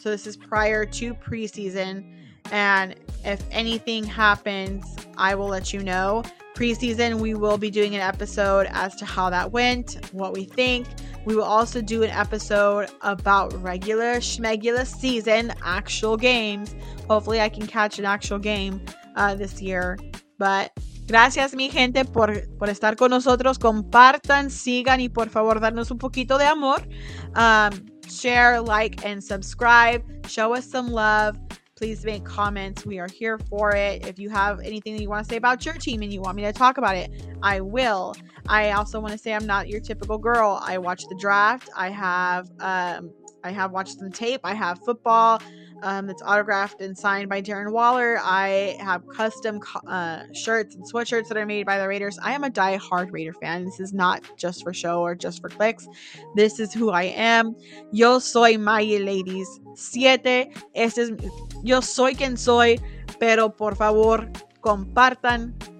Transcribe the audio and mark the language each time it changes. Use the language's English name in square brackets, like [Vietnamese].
[English] So this is prior to preseason. And if anything happens, I will let you know. Preseason, we will be doing an episode as to how that went, what we think. We will also do an episode about regular schmegular season, actual games. Hopefully, I can catch an actual game this year. But [Spanish] gracias, mi gente, por estar con nosotros. Compartan, sigan, y por favor, darnos un poquito de amor. [English] Share, like, and subscribe. Show us some love. Please make comments. We are here for it. If you have anything that you want to say about your team and you want me to talk about it, I will. I also want to say I'm not your typical girl. I watch the draft. I have watched some tape. I have football that's autographed and signed by Darren Waller. I have custom shirts and sweatshirts that are made by the Raiders. I am a diehard Raider fan. This is not just for show or just for clicks. This is who I am. [Spanish] Yo soy Maya, [English] ladies. [Spanish] Siete. Este es, yo soy quien soy, pero por favor, compartan.